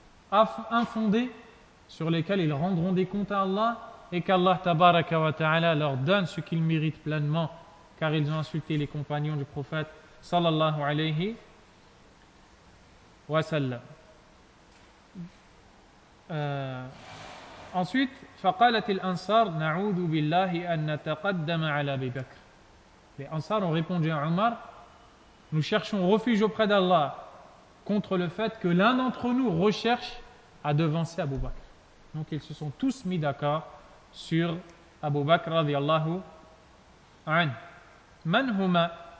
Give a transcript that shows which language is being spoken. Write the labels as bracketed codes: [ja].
[fr] infondées sur lesquelles ils rendront des comptes à Allah, et qu'Allah tabaraka wa ta'ala leur donne ce qu'ils méritent pleinement, car ils ont insulté les compagnons du prophète sallallahu alayhi wa sallam. [ar] Ensuite, فَقَالَتِ الْأَنْصَارِ نَعُودُ بِاللَّهِ أَنَّ تَقَدَّمَ عَلَى بِبَكْرِ. [fr] Les Ansar ont répondu à Omar, nous cherchons refuge auprès d'Allah contre le fait que l'un d'entre nous recherche à devancer Abu Bakr. Donc ils se sont tous mis d'accord sur Abu Bakr radiyallahu anhu. [ar] Man huma?